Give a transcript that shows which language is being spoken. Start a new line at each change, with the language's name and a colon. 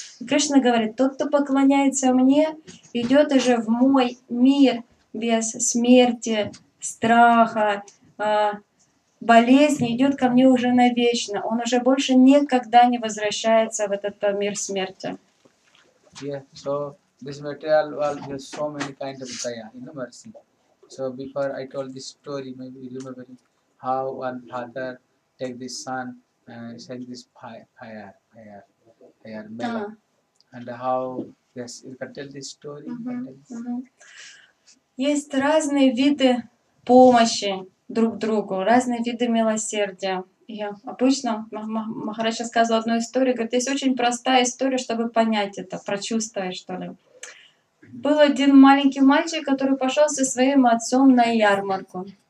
Russian: И Кришна говорит, тот, кто поклоняется мне, идет уже в мой мир без смерти, страха, болезни, идет ко мне уже навечно. Он уже больше никогда не возвращается в этот мир смерти.
English: This material world has so many kinds of daya, you know, mercy. So before I told this story, maybe you remember how one father take this son and send this fire mela. Uh-huh. And how, yes, you can tell this story.
Russian: Есть разные виды помощи друг другу, разные виды милосердия. Я обычно Махарадж рассказывал одну историю, говорит, есть очень простая история, чтобы понять это, прочувствовать что-ли. Был один маленький мальчик, который пошел со своим отцом на ярмарку.